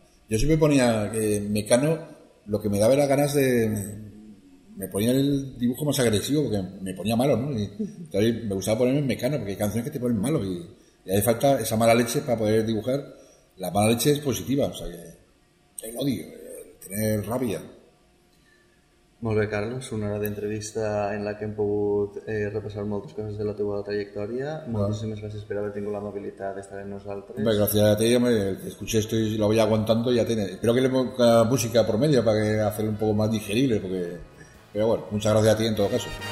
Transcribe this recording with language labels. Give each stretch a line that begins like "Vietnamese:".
Spanish: Yo siempre ponía que Mecano, lo que me daba era ganas de... Me ponía el dibujo más agresivo porque me ponía malo, ¿no? Y entonces me gustaba ponerme en Mecano porque hay canciones que te ponen malo y hace falta esa mala leche para poder dibujar. La mala leche es positiva, o sea que el odio, tener rabia.
Catalan: Molt bé, Carlos, una hora d'entrevista en la que hem pogut repassar moltes coses de la teva trajectòria. Moltíssimes gràcies per haver tingut la mobilitat d'estar amb nosaltres. Bé, gràcies a
Spanish: ti, home, el que escuché esto y lo voy aguantando ya tiene. Espero que le ponga música por medio para que hacerlo un poco más digerible porque... Pero bueno, muchas gracias a ti en todo caso.